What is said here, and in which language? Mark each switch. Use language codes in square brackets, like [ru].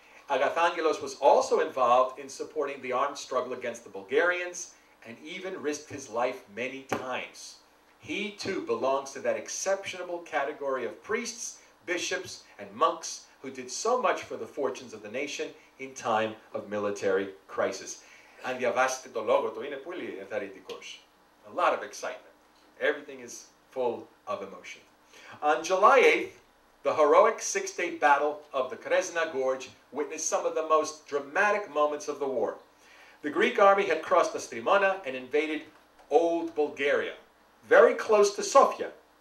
[en] Agathangelos was also involved in supporting the armed struggle against the Bulgarians and even risked his life many times. He too belongs to that exceptionable category of priests, bishops, and monks who did so much for the fortunes of the nation in time of military crisis. [el] Αν διαβάσετε το λόγο του, είναι πολύ ενθαρρυντικός. [en] A lot of excitement. Everything is full of emotion. On July 8th, the heroic six-day battle of the Kresna Gorge witnessed some of the most dramatic moments of the war. The Greek army had crossed the Strymona and invaded old Bulgaria, very close to Sofia.